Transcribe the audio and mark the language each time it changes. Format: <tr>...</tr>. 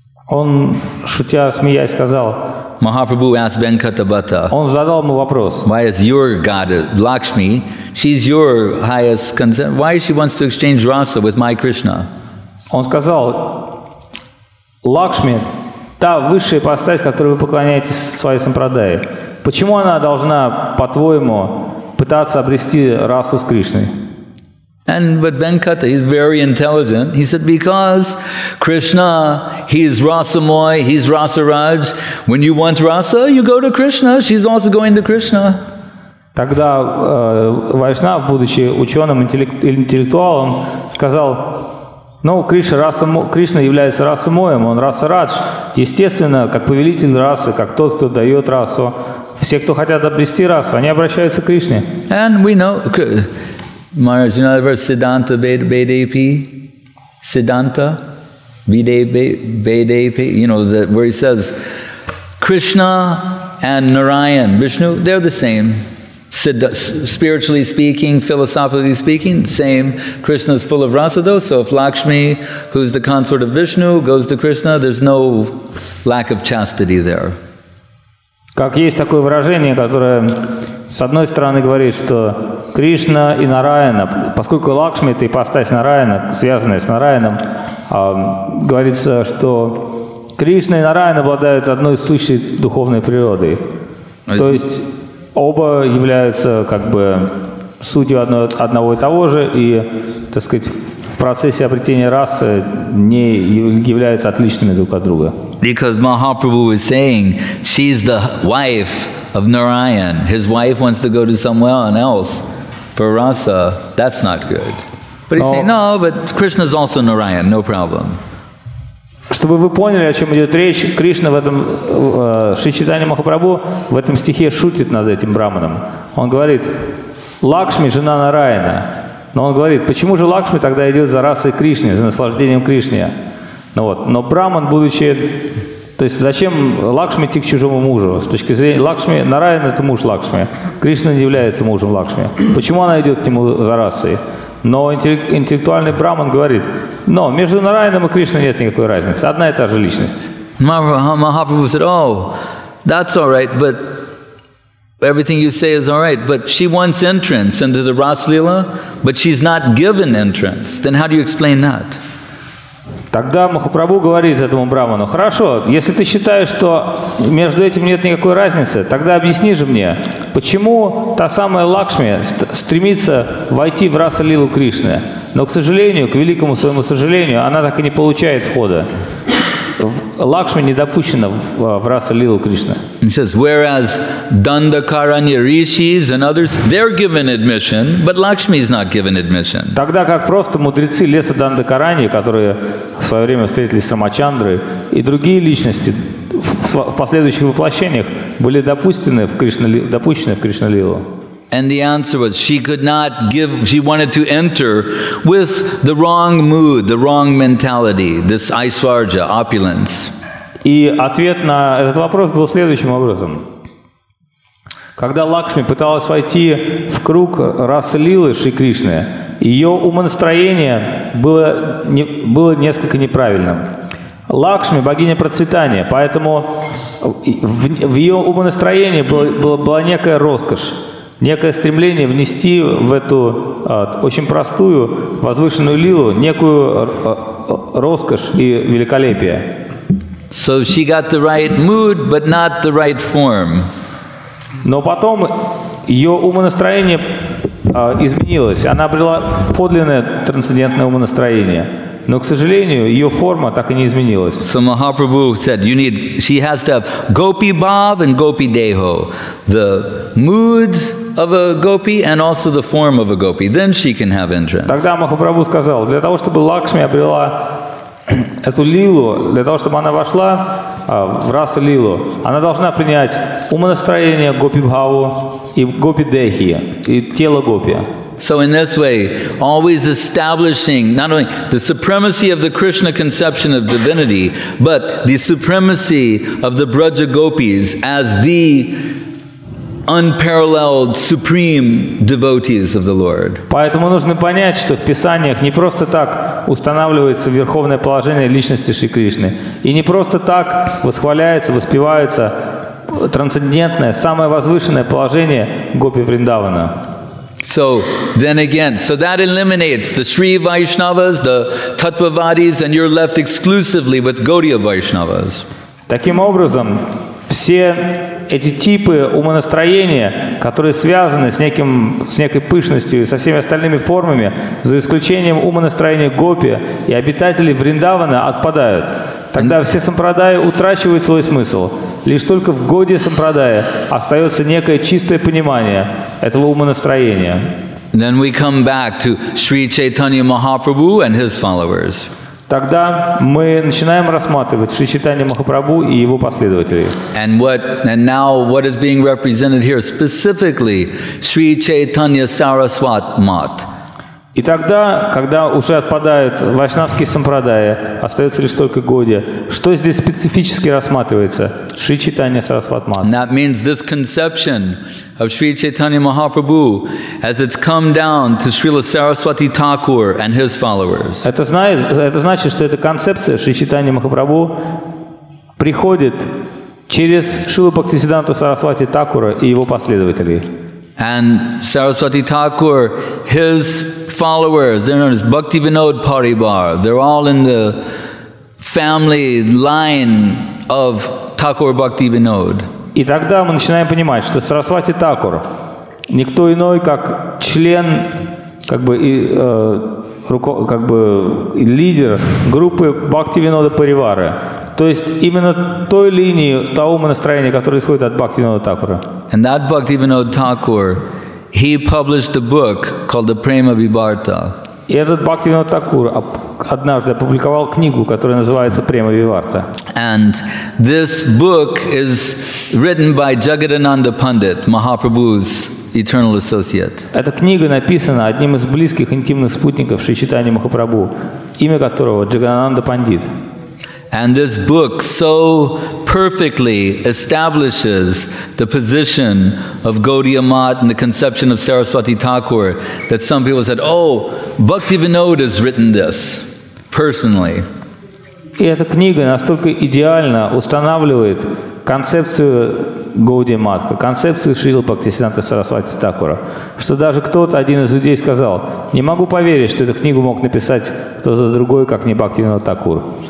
<ru>Он шутя смеясь сказал.</ru> <en>Mahaprabhu asked Venkata Bhatta.</en> <ru>Он задал ему вопрос.</ru> <en>Why is your goddess Lakshmi? She's your highest concern. Why she wants to exchange rasa with my Krishna?</en> <ru>Он сказал: Лакшми, та высшая ипостась, которой вы поклоняетесь своей сампрадае. Почему она должна, по-твоему, пытаться обрести расу с Кришной?</ru> <en>And but Venkata, he's very intelligent. He said, because Krishna, he's Rasamoy, he's Rasaraj. When you want rasa, you go to Krishna. She's also going to Krishna.</en> <ru>Тогда Вайшнав, будучи ученым, интеллектуалом, сказал, ну, Кришна является Расамоем, он Расарадж. Естественно, как повелитель расы, как тот, кто дает расу. Все, кто хотят обрести расу, они обращаются к Кришне.</ru> <en>And we know, Maharaj, you know the verse Siddhanta Vedepi? Siddhanta Vedepi? You know, where he says, Krishna and Narayan, Vishnu, they're the same. Spiritually speaking, philosophically speaking, same. Krishna is full of rasa though, so if Lakshmi, who's the consort of Vishnu, goes to Krishna, there's no lack of chastity there.</en> <ru>Как есть такое выражение, которое с одной стороны говорит, что Кришна и Нараяна, поскольку Лакшми – это ипостась Нараяна, связанная с Нараяном, говорится, что Кришна и Нараяна обладают одной сущей духовной природой. То есть оба являются как бы сутью одного и того же, и, так сказать, в процессе обретения расы не являются отличными друг от друга.</ru> <en>Because Mahaprabhu was saying she's the wife of Narayan. His wife wants to go to someone else for rasa. That's not good. But he's saying, no, but Krishna's also Narayan, no problem.</en> <ru>Чтобы вы поняли, о чем идет речь, Кришна в этом Шри Чайтанья Махапрабху в этом стихе шутит над этим браманом. Он говорит, Лакшми – жена Нараяна. Но он говорит, почему же Лакшми тогда идет за расой Кришны, за наслаждением Кришны? Ну вот. Но браман, будучи... То есть зачем Лакшми идти к чужому мужу? С точки зрения Лакшми, Нараяна – это муж Лакшми. Кришна не является мужем Лакшми. Почему она идет к нему за расой? Но интеллектуальный браман говорит, но между Нараяном и Кришной нет никакой разницы. Одна и та же личность.</ru> <en>Махапрабху said, oh, that's all right, but everything you say is all right, but she wants entrance into the Rasa-lila, but she's not given entrance. Then how do you explain that?</en> <ru>Тогда Махапрабху говорит этому браману, хорошо, если ты считаешь, что между этим нет никакой разницы, тогда объясни же мне, почему та самая Лакшми стремится войти в Раса-лилу Кришны, но, к сожалению, к великому своему сожалению, она так и не получает входа. Лакшми не допущена в Раса-лилу Кришны.</ru> <en>He says, whereas Dandakaranya rishis and others, they're given admission, but Lakshmi is not given admission.</en> <ru>Тогда как просто мудрецы леса Дандакаранья, которые в свое время встретились с Рамачандрой, и другие личности в последующих воплощениях были допущены в Кришна-лилу.</ru> <en>And the answer was, she could not give, she wanted to enter with the wrong mood, the wrong mentality, this aishwarya, opulence.</en> <ru>И ответ на этот вопрос был следующим образом. Когда Лакшми пыталась войти в круг Раса-лилы Шри Кришны, ее умонастроение было несколько неправильным. Лакшми – богиня процветания, поэтому в ее умонастроении была некая роскошь, некое стремление внести в эту очень простую, возвышенную лилу некую роскошь и великолепие.</ru> <en>So she got the right mood, but not the right form.</en> <ru>Но потом ее умонастроение изменилось. Она обрела подлинное трансцендентное умонастроение. Но, к сожалению, ее форма так и не изменилась.</ru> <en>So Mahaprabhu said, you need, she has to have gopi bhav and gopi deho. The mood of a gopi and also the form of a gopi. Then she can have entrance.</en> <ru>Тогда Махапрабху сказал, для того, чтобы Лакшми обрела эту лилу, для того, чтобы она вошла в Раса-лилу, она должна принять умонастроение гопи-бхаву и гопи-дехи, и тело гопи.</ru> <en>So in this way, always establishing not only the supremacy of the Krishna conception of divinity, but the supremacy of the Braja gopis as the unparalleled supreme devotees of the Lord.</en> <ru>Поэтому нужно понять, что в писаниях не просто так устанавливается верховное положение личности Шри Кришны, и не просто так восхваляется, воспевается трансцендентное, самое возвышенное положение гопи Вриндавана.</ru> <en>So then again, so that eliminates the Sri Vaishnavas, the Tattvavadis, and you're left exclusively with Gaudiya Vaishnavas.</en> <ru>Таким образом, все эти типы умонастроения, которые связаны с некой пышностью и со всеми остальными формами, за исключением умонастроения гопи и обитателей Вриндавана, отпадают. Тогда все сампрадаи утрачивают свой смысл. Лишь только в Гаудия сампрадая остается некое чистое понимание этого умонастроения.</ru> <en>Then we come back to Sri Chaitanya Mahaprabhu and his followers.</en> <ru>Тогда мы начинаем рассматривать Шри Чайтанья Махапрабху и его последователей.</ru> <en>And what, and now what is being represented here specifically, Sri Chaitanya Sarasvat Mat.</en> <ru>И тогда, когда уже отпадают вайшнавские сампрадаи, остается лишь только Гаудия, что здесь специфически рассматривается? Шри Чайтанья Сарасват Мат.</ru> <en>That means this conception of Sri Chaitanya Mahaprabhu as it's come down to Srila Saraswati Thakur and his followers.</en> <ru>Это значит, что эта концепция Шри Чайтанья Махапрабху приходит Через Шрилу Бхактисиддханту Сарасвати Такура и его последователей.</ru> <en>And Saraswati Thakur, his followers, they're known as Bhaktivinod Paribar. They're all in the family line of Thakur Bhaktivinod.</en> <ru>И тогда мы начинаем понимать, что Сарасвати Такур никто иной, как член, как бы и лидер группы Бхактивинода Паривары. То есть именно той линии, того умонастроения, которое исходит от Бхактивинода Такура.</ru> <en>And that Bhaktivinoda Thakur, he published a book called the Prema Vibharta.</en> <ru>И этот Бхактивинода Такур однажды опубликовал книгу, которая называется Према Виварта.</ru> <en>And this book is written by Jagadananda Pandit, Mahaprabhu's eternal associate.</en> <ru>Эта книга написана одним из близких интимных спутников Шри Чайтаньи Махапрабху, имя которого Джагадананда Пандит.</ru> <en>And this book so perfectly establishes the position of Gaudiya Math and the conception of Saraswati Thakur that some people said, oh, Bhaktivinoda has written this personally.</en> <ru>И эта книга настолько идеально устанавливает концепцию Гаудия Матха, концепцию Шрилы Бхактисиддханты Сарасвати Такура, что даже кто-то, один из людей, сказал, не могу поверить, что эту книгу мог написать кто-то другой, как не Бхактивинода Такур.</ru>